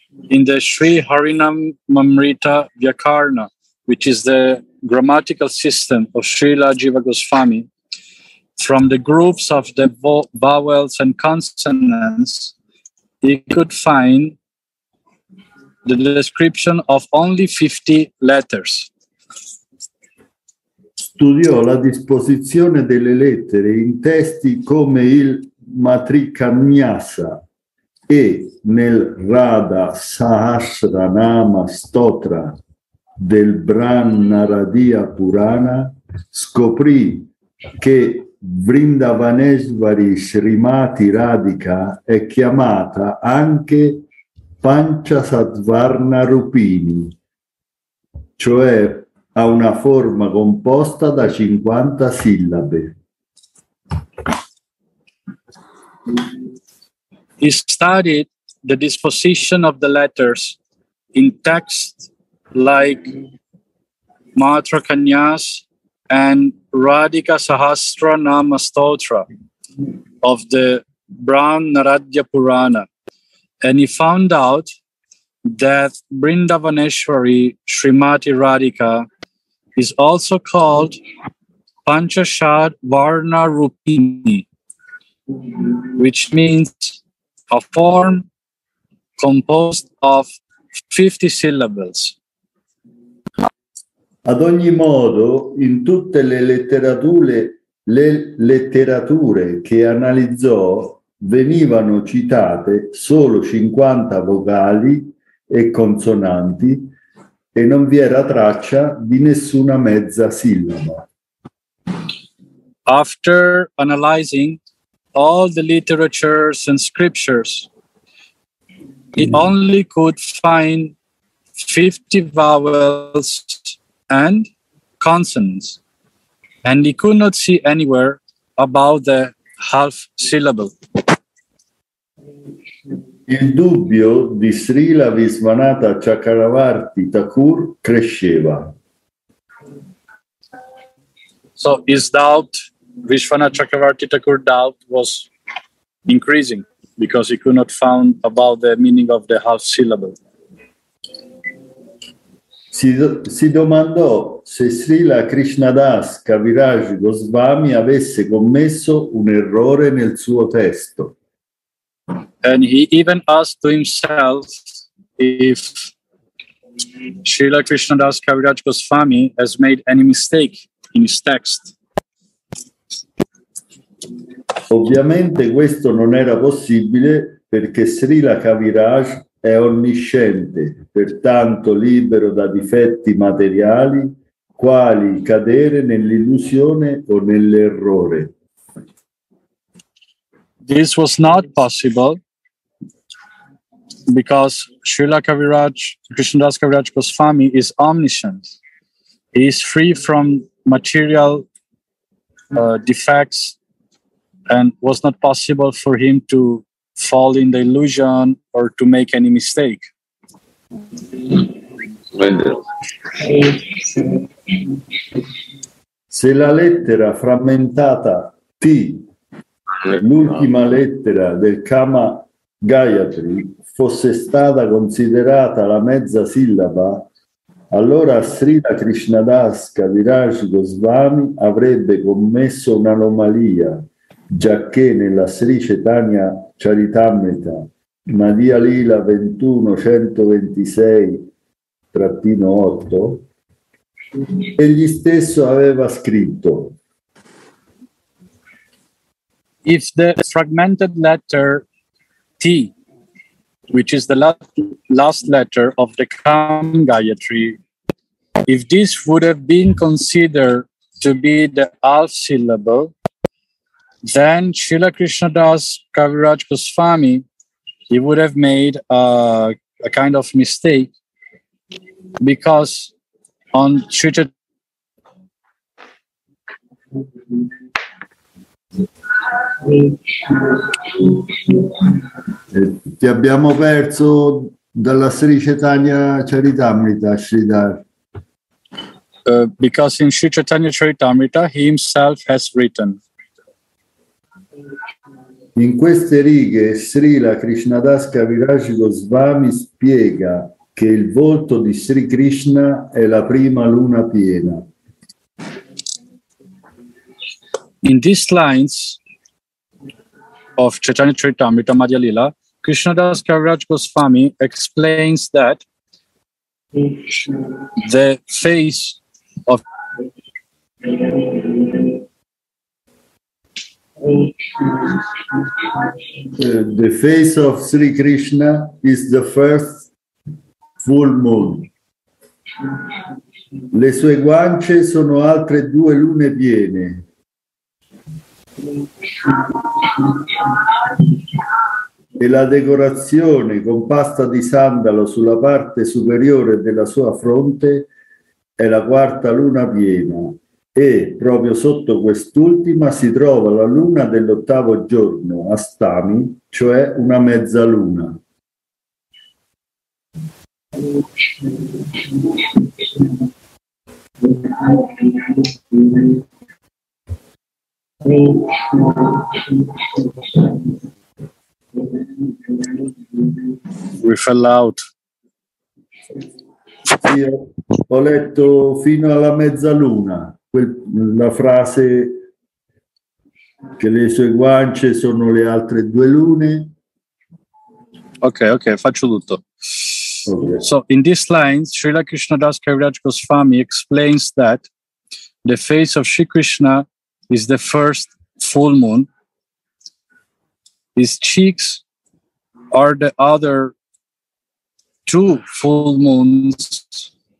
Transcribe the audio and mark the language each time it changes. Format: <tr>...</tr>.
<en>In the Sri Harinamrita Vyakarana, which is the grammatical system of Srila Jiva Goswami, from the groups of the vowels and consonants, he could find the description of only 50 letters.</en> <it>Studiò la disposizione delle lettere in testi come il Matrikanyasa e nel Radha Sahasranama Stotra del Brahmaradiya Purana, scoprì che Vrindavaneshwari Srimati Radhika è chiamata anche Panchasadvarna Rupini, cioè ha una forma composta da 50 sillabe.</it> <en>He studied the disposition of the letters in texts like Matra Kanyas and Radhika Sahasra Nama Stotra of the Brahma Naradya Purana. And he found out that Brindavaneshwari Srimati Radhika is also called Panchashad Varna Rupini, which means a form composed of 50 syllables.</en> <it>Ad ogni modo, in tutte le letterature che analizzò, venivano citate solo 50 vocali e consonanti e non vi era traccia di nessuna mezza sillaba.</it> <en>After analyzing all the literatures and scriptures, he only could find 50 vowels and consonants, and he could not see anywhere about the half syllable.</en> <it>Il dubbio di Srila Visvanatha Chakravarti Thakur cresceva.</it> <en>So his doubt, Vishwana Chakravarti Thakur doubt was increasing because he could not found about the meaning of the half syllable.</en> <it>Si domandò se Srila Krishnadas Kaviraj Goswami avesse commesso un errore nel suo testo.</it> <en>And he even asked to himself if Srila Krishnadas Kaviraj Goswami has made any mistake in his text.</en> <it>Ovviamente questo non era possibile perché Srila Kaviraj è onnisciente, pertanto libero da difetti materiali, quali cadere nell'illusione o nell'errore.</it> <en>This was not possible because Srila Kaviraj, Krishnadas Kaviraj Goswami is omniscient. He is free from material defects and was not possible for him to fall in the illusion or to make any mistake.</en> <it>Se la lettera frammentata T, l'ultima lettera del Kama Gayatri, fosse stata considerata la mezza sillaba, allora Srila Krishnadas Kaviraj Goswami avrebbe commesso un'anomalia, giacché nella Sri Chaitanya Charitamrita, Madhya Lila 21:126-8, egli stesso aveva scritto:</it> <en>If the fragmented letter T, which is the last letter of the Kam Gayatri, if this would have been considered to be the half syllable, then Srila Krishnadas Kaviraj Goswami, he would have made a kind of mistake because on Sri</en> <it>Ti abbiamo perso dalla Sri Chaitanya Charitamrita, Sridhar.</it> <en>Because in Sri Chaitanya Charitamrita he himself has written.</en> <it>In queste righe Srila Krishnadas Kaviraj Goswami spiega che il volto di Sri Krishna è la prima luna piena.</it> <en>In these lines of Chaitanya Charitamrita Madhya Lila, Krishnadas Kaviraj Goswami explains that the face of The face of Sri Krishna is the first full moon.</en> <it>Le sue guance sono altre due lune piene. E la decorazione con pasta di sandalo sulla parte superiore della sua fronte è la quarta luna piena. E proprio sotto quest'ultima si trova la luna dell'ottavo giorno, Astami, cioè una mezzaluna.</it> <en>We fell out.</en> <it>Sì, ho letto fino alla mezzaluna. La frase che le sue guance sono le altre due lune. Ok, faccio tutto. Okay.</it> <en>So in these lines, Srila Krishnadas Kaviraj Goswami explains that the face of Sri Krishna is the first full moon. His cheeks are the other two full moons.</en>